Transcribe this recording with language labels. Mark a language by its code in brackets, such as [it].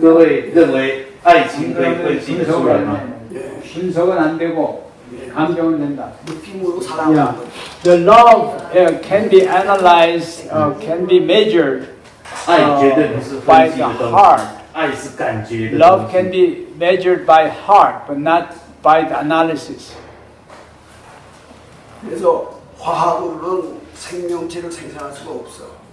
[zh] 各位认为爱情可以分析出来吗？ [ko] 분석은 안 되고 감정은 된다. 느낌으로 사랑. [en] The love can be analyzed, can be measured by the heart. [zh] 爱是感觉的东西. [en] Love can be measured by heart, but not by the analysis. [ko] 그래서 화학으로는 생명체를 생산할 수가 없어.